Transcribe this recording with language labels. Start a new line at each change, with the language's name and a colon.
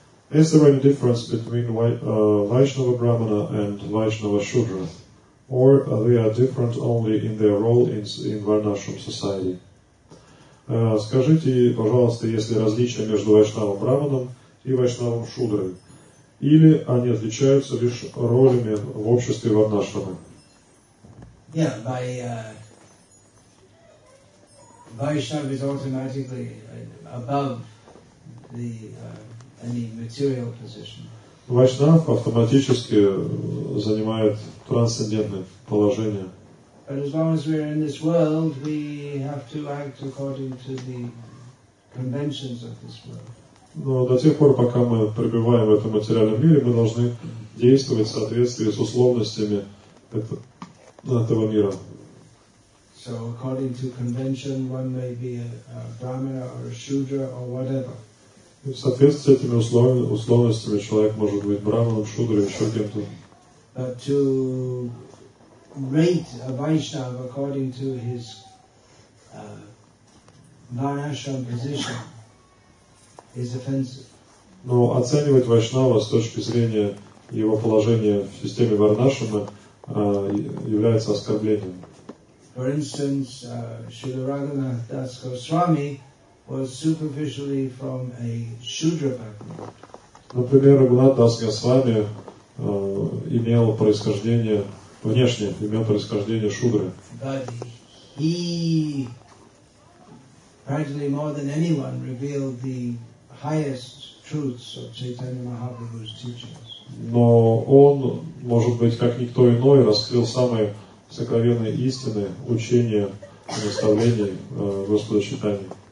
English: Is there any difference between Vaishnava Brahmana and Vaishnava Shudra? Or they are different only in their role in Varnashram society?
Russian: Скажите, пожалуйста, есть ли различия между Вайшнавом Брахманом и Вайшнавом Шудрой? Или они отличаются лишь ролями в обществе Варнашрама?
English: Yeah, by Vaishnava is automatically above the any material position.
Russian: Вайшнав автоматически занимает трансцендентное положение.
English: But as long as we are in this world, we have to act according to the conventions of this world.
Russian: Но до тех пор, пока мы пребываем в этом материальном мире, мы должны действовать в соответствии с условностями этого мира.
English: So according to convention, one may be a brahmana or a shudra or whatever.
Russian: В соответствии с этими условностями человек может быть брахманом, шудрой, еще кем-то.
English: But to rate a Vaishnava according to his Varnashram position is offensive.
Russian: Но оценивать Вайшнава с точки зрения его положения в системе Варнашрама является оскорблением.
English: For instance, Srila Raghunath Das Goswami was superficially from a Shudra background.
Russian: Например, Раганат Дас Госвами имел происхождение внешне, имел происхождение Шудры.
English: But he practically more than anyone revealed the highest truths of Chaitanya Mahaprabhu's teachings.
Russian: Но он, может быть, как никто иной, раскрыл самые сокровенные истины, учения и наставления Господа Чайтаньи.